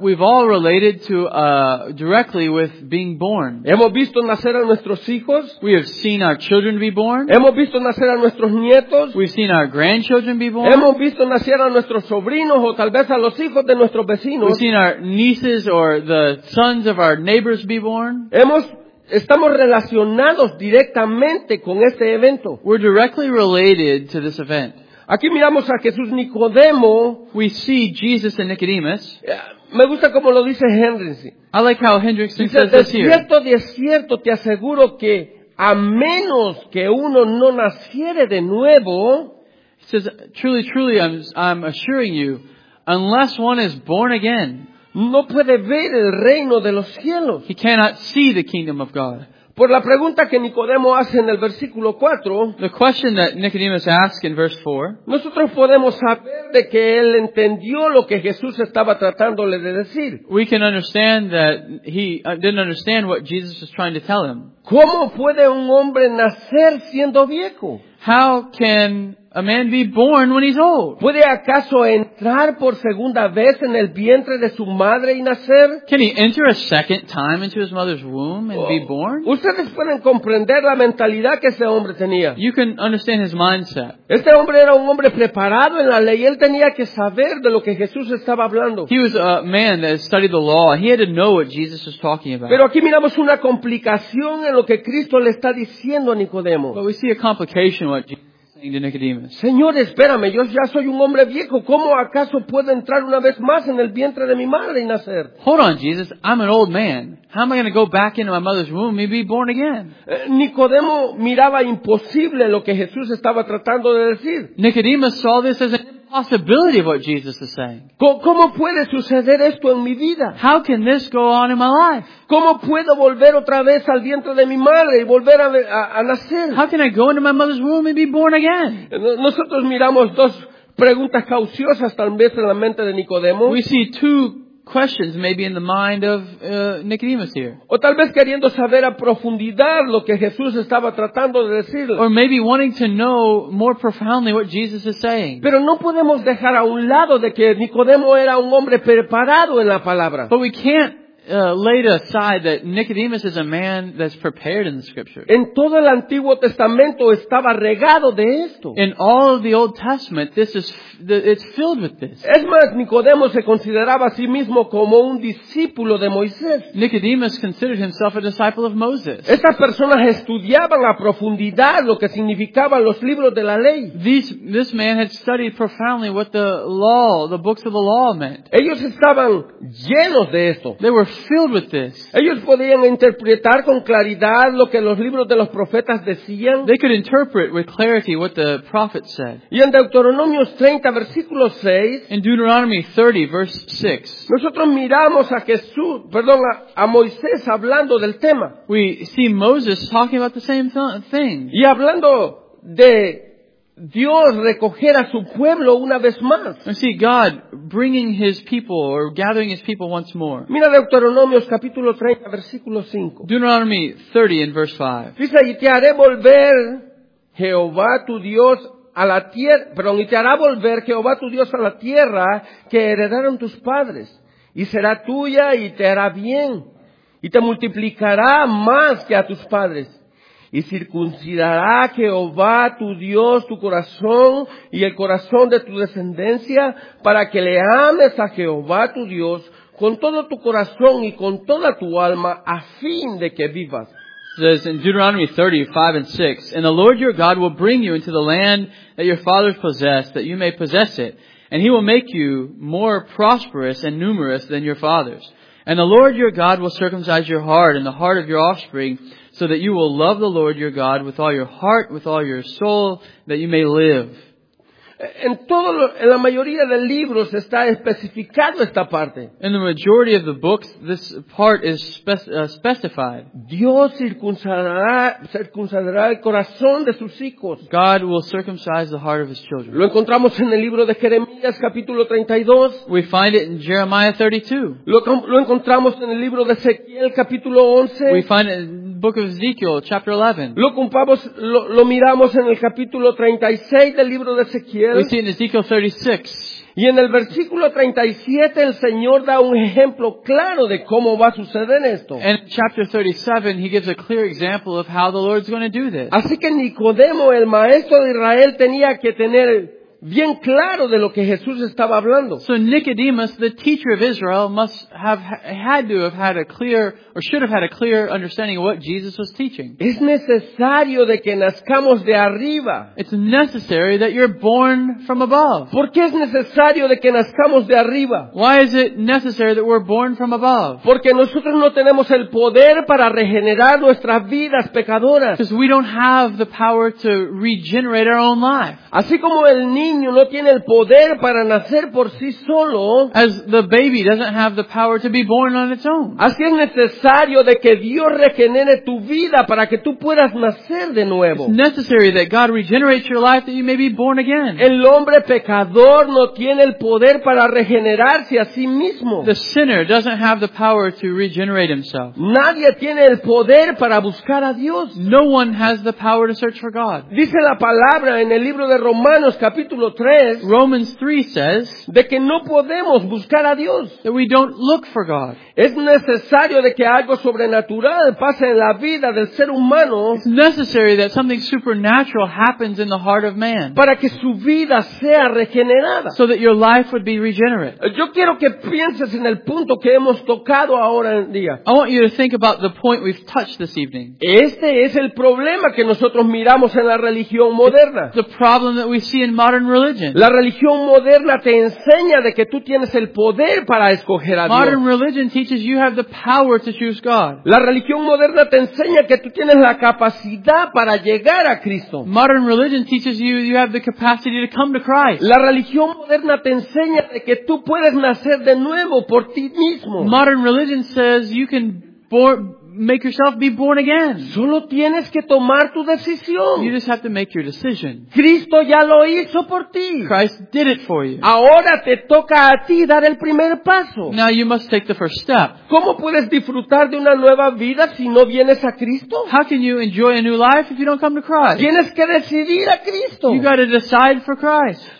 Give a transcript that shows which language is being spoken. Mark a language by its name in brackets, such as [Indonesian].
[English] We've all related to directly with being born. [Spanish] Hemos visto nacer a nuestros hijos. [English] We have seen our children be born. [Spanish] Hemos visto nacer a nuestros nietos. [English] We've seen our grandchildren be born. [Spanish] Hemos visto nacer a nuestros sobrinos o tal vez a los hijos de nuestros vecinos. [English] We've seen our nieces or the sons of our neighbors be born. [Spanish] Estamos relacionados directamente con este evento. [English] We're directly related to this event. [Spanish] Aquí miramos a Jesús Nicodemo. [English] We see Jesus and Nicodemus. [Spanish] Me gusta como lo dice Hendrickson. [English] I like how Hendrickson [Spanish] dice, [English] says this here. [Spanish] De cierto te aseguro que a menos que uno no naciere de nuevo. [English] He says, truly, truly, I'm assuring you, unless one is born again, [Spanish] no puede ver el reino de los cielos. [English] He cannot see the kingdom of God. [Spanish] Por la pregunta que Nicodemo hace en el versículo 4, [English] the question that Nicodemus asks in verse 4, [Spanish] nosotros podemos saber de que él entendió lo que Jesús estaba tratándole de decir. [English] We can understand that he didn't understand what Jesus was trying to tell him. [Spanish] ¿Cómo puede un hombre nacer siendo viejo? [English] How can a man be born when he's old? [Spanish] ¿Puede acaso entrar por segunda vez en el vientre de su madre y nacer? [English] Can he enter a second time into his mother's womb and be born? [Spanish] Ustedes pueden comprender la mentalidad que ese hombre tenía. [English] You can understand his mindset. [Spanish] Este hombre era un hombre preparado en la ley. Él tenía que saber de lo que Jesús estaba hablando. [English] He was a man that studied the law. He had to know what Jesus was talking about. [Spanish] Pero aquí miramos una complicación en lo que Cristo le está diciendo a Nicodemo. [English] But we see a complication what Jesus to Nicodemus. [Spanish] Señor, espérame, yo ya soy un hombre viejo. ¿Cómo acaso puedo entrar una vez más en el vientre de mi madre y nacer? [English] Hold on, Jesus. I'm an old man. How am I going to go back into my mother's womb and be born again? [Spanish] Nicodemo miraba imposible lo que Jesús estaba tratando de decir. [English] Nicodemus saw this as an impossibility of what Jesus is saying. [Spanish] ¿Cómo puede suceder esto en mi vida? [English] How can this go on in my life? [Spanish] ¿Cómo puedo volver otra vez al vientre de mi madre y volver a nacer? [English] How can I go into my mother's womb and be born again? [Spanish] Nosotros miramos dos preguntas cauciosas tal vez en la mente de Nicodemo. [English] We see two questions maybe in the mind of Nicodemus here. [Spanish] O tal vez queriendo saber a profundidad lo que Jesús estaba tratando de decirle. [English] Or maybe wanting to know more profoundly what Jesus is saying. [Spanish] Pero no podemos dejar a un lado de que Nicodemo era un hombre preparado en la palabra. [English] But we can't laid aside that Nicodemus is a man that's prepared in the scripture. [Spanish] En todo el Antiguo Testamento estaba regado de esto. [English] In all of the Old Testament, it's filled with this. [Spanish] Es más, Nicodemo se consideraba a sí mismo como un discípulo de Moisés. [English] Nicodemus considered himself a disciple of Moses. [Spanish] Estas personas estudiaban a profundidad lo que significaban los libros de la ley. [English] This man had studied profoundly what the law, the books of the law meant. [Spanish] Ellos estaban llenos de esto. [English] They were filled with this. [Spanish] Ellos podían interpretar con claridad lo que los libros de los profetas decían. [English] They could interpret with clarity what the prophets said. [Spanish] Y en Deuteronomio 30, versículo 6, [English] in Deuteronomy 30, verse 6, [Spanish] nosotros miramos a Jesús, perdón, a Moisés hablando del tema. [English] We see Moses talking about the same thing. [Spanish] Y hablando de Dios recoger a su pueblo una vez más. [English] I see God bringing his people or gathering his people once more. [Spanish] Mira Deuteronomio capítulo 30 versículo 5. [English] Deuteronomy 30 and verse 5. [Spanish] Dice, y te haré volver Jehová tu Dios a la tierra, perdón, y te hará volver Jehová tu Dios a la tierra que heredaron tus padres, y será tuya y te hará bien, y te multiplicará más que a tus padres. Y circuncidará Jehová tu Dios tu corazón y el corazón de tu descendencia para que le ames a Jehová tu Dios con todo tu corazón y con toda tu alma a fin de que vivas. [English] It says in Deuteronomy 30, 5 and 6, and the Lord your God will bring you into the land that your fathers possessed, that you may possess it, and he will make you more prosperous and numerous than your fathers. And the Lord your God will circumcise your heart and the heart of your offspring, so that you will love the Lord your God with all your heart, with all your soul, that you may live. [Spanish] En la mayoría de libros está especificado esta parte. [English] In the majority of the books, this part is specified. [Spanish] Dios circuncidará el corazón de sus hijos. [English] God will circumcise the heart of his children. [Spanish] Lo encontramos en el libro de Jeremías, capítulo 32. [English] We find it in Jeremiah 32. [Spanish] Lo encontramos en el libro de Ezequiel, capítulo 11. [English] We find it Book of Ezekiel, chapter 11. [Spanish] Lo miramos en el capítulo 36 del libro de Ezequiel. [English] We see in Ezekiel 36. [Spanish] Y en el versículo 37 el Señor da un ejemplo claro de cómo va a suceder esto. [English] And in chapter 37 he gives a clear example of how the Lord's going to do this. [Spanish] Así que Nicodemo, el maestro de Israel, tenía que tener bien claro de lo que Jesús estaba hablando. [English] So Nicodemus, the teacher of Israel, must have had to have had a clear, or should have had a clear understanding of what Jesus was teaching. [Spanish] Es necesario de que nazcamos de arriba. [English] It's necessary that you're born from above. [Spanish] ¿Por qué es necesario de que nazcamos de arriba? [English] Why is it necessary that we're born from above? [Spanish] Porque nosotros no tenemos el poder para regenerar nuestras vidas pecadoras. [English] Because we don't have the power to regenerate our own life. [Spanish] Así como el niño niño no tiene el poder para nacer por sí solo, [English] as the baby doesn't have the power to be born on its own. [Spanish] Así es necesario de que Dios regenere tu vida para que tú puedas nacer de nuevo. [English] It's necessary that God regenerates your life that you may be born again. [Spanish] El hombre pecador no tiene el poder para regenerarse a sí mismo. [English] The sinner doesn't have the power to regenerate himself. [Spanish] Nadie tiene el poder para buscar a Dios. [English] No one has the power to search for God. [Spanish] Dice la palabra en el libro de Romanos capítulo 3, [English] Romans 3 says, [Spanish] de que no podemos buscar a Dios. [English] That we don't look for God. [Spanish] Es necesario de que algo sobrenatural pase en la vida del ser humano. [English] It's necessary that something supernatural happens in the heart of man. [Spanish] Para que su vida sea regenerada. [English] So that your life would be regenerate. [Spanish] Yo quiero que pienses en el punto que hemos tocado ahora en día. [English] I want you to think about the point we've touched this evening. [Spanish] Este es el problema que nosotros miramos en la religión moderna. [English] The problem that we see in modern religion. [Spanish] La religión moderna te enseña de que tú tienes el poder para escoger a Dios. [English] Modern religion teaches you have the power to choose God. [Spanish] La religión moderna te enseña que tú tienes la capacidad para llegar a Cristo. [English] Modern religion teaches you you have the capacity to come to Christ. [Spanish] La religión moderna te enseña de que tú puedes nacer de nuevo por ti mismo. [English] Modern religion says you can make yourself be born again. [Spanish] Solo tienes que tomar tu decisión. [English] You just have to make your decision. [Spanish] Cristo ya lo hizo por ti. [English] Christ did it for you. [Spanish] Ahora te toca a ti dar el primer paso. [English] Now you must take the first step. [Spanish] ¿Cómo puedes disfrutar de una nueva vida si no vienes a Cristo? [English] How can you enjoy a new life if you don't come to Christ? [Spanish] Tienes que decidir a Cristo. [English] You got to decide for Christ.